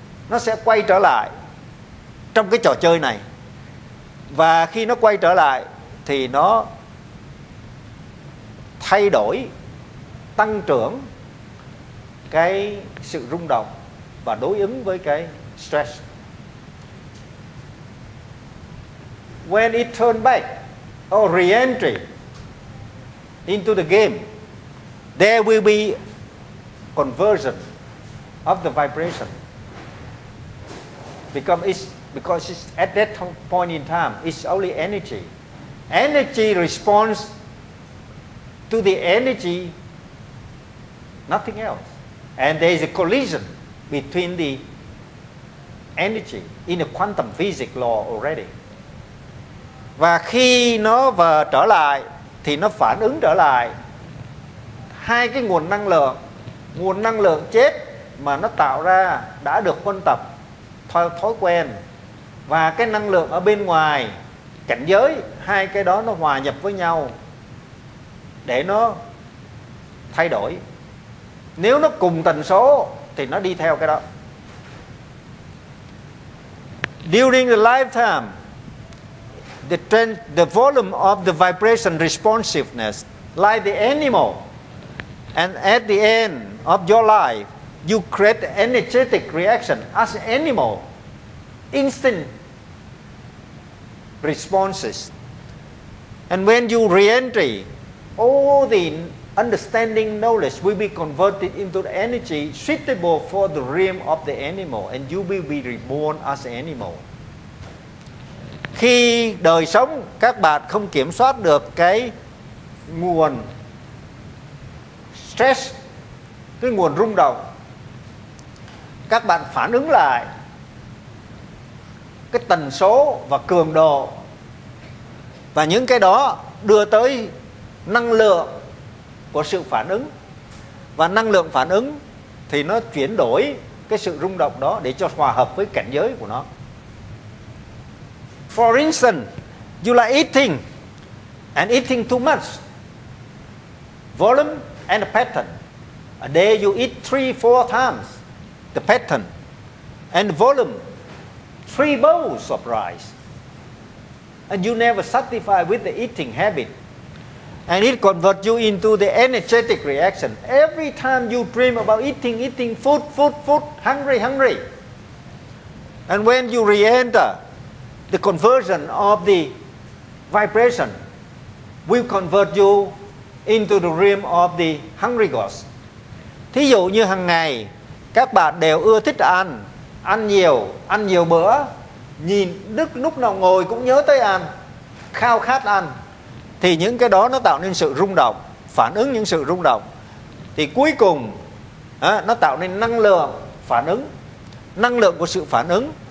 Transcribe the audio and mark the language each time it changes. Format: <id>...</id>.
<vi>Nó sẽ quay trở lại trong cái trò chơi này. Và khi nó quay trở lại thì nó thay đổi, tăng trưởng cái sự rung động và đối ứng với cái stress.</vi> <en>When it turn back or re-entry into the game, there will be conversion of the vibration. Because it's at that point in time, it's only energy. Energy responds to the energy, nothing else. And there is a collision between the energy in the quantum physics law already.</en> <vi>Và khi nó vừa trở lại thì nó phản ứng trở lại hai cái nguồn năng lượng chết mà nó tạo ra đã được huân tập thói quen, và cái năng lượng ở bên ngoài cảnh giới, hai cái đó nó hòa nhập với nhau để nó thay đổi. Nếu nó cùng tần số thì nó đi theo cái đó.</vi> <en>During the lifetime, the volume of the vibration responsiveness like the animal, and at the end of your life you create energetic reaction as animal, instant responses. And when you re-entry, all the understanding knowledge will be converted into the energy suitable for the realm of the animal, and you will be reborn as animal.</en> <vi>Khi đời sống các bạn không kiểm soát được cái nguồn stress, cái nguồn rung động, các bạn phản ứng lại cái tần số và cường độ, và những cái đó đưa tới năng lượng của sự phản ứng, và năng lượng phản ứng thì nó chuyển đổi cái sự rung động đó để cho hòa hợp với cảnh giới của nó.</vi> <en>For instance, you like eating and eating too much volume and pattern. A day you eat 3-4 times the pattern and volume, 3 bowls of rice, and you never satisfied with the eating habit, and it converts you into the energetic reaction. Every time you dream about eating food, hungry, and when you re-enter, the conversion of the vibration will convert you into the realm of the hungry gods.</en> <vi>Thí dụ như hàng ngày các bạn đều ưa thích ăn, ăn nhiều bữa, nhìn đứt lúc nào ngồi cũng nhớ tới ăn, khao khát ăn, thì những cái đó nó tạo nên sự rung động, phản ứng những sự rung động, thì cuối cùng nó tạo nên năng lượng phản ứng. Năng lượng của sự phản ứng</vi>